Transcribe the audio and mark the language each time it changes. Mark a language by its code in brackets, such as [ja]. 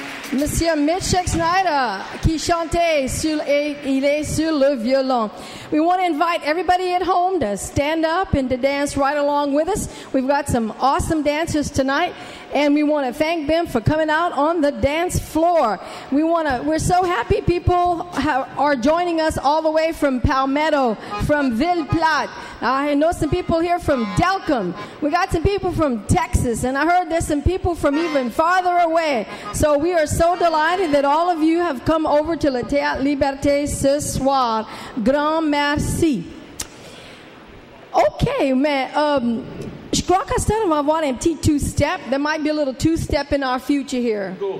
[fr] Monsieur Mitchell Schneider, qui chantait sur, il est sur le violon. [en] We want to invite everybody at home to stand up and to dance right along with us. We've got some awesome dancers tonight, and we want to thank them for coming out on the dance floor. We're so happy people are joining us all the way from Palmetto, from Ville Platte. I know some people here from Delcom. We got some people from Texas, and I heard there's some people from even farther away. So we are so delighted that all of you have come over to Le Théâtre Liberté [fr] ce soir. Grand merci. Okay, mais je crois qu'à ce moment, on va avoir un petit two-step. [en] There might be a little two-step in our future here.